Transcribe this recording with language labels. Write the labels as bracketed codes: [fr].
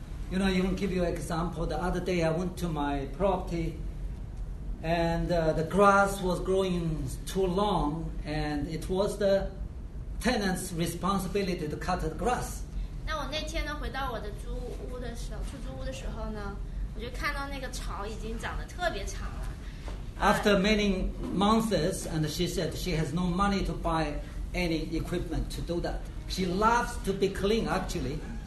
[en] You know, even give you an example. The other day, I went to my property, and the grass was growing too long, and it was the tenant's responsibility to cut the grass. [zh] 那我那天呢，回到我的租屋的时候，出租屋的时候呢，我就看到那个草已经长得特别长了。 [en] After many months, and she said she has no money to buy any equipment to do that. She loves to be clean, actually.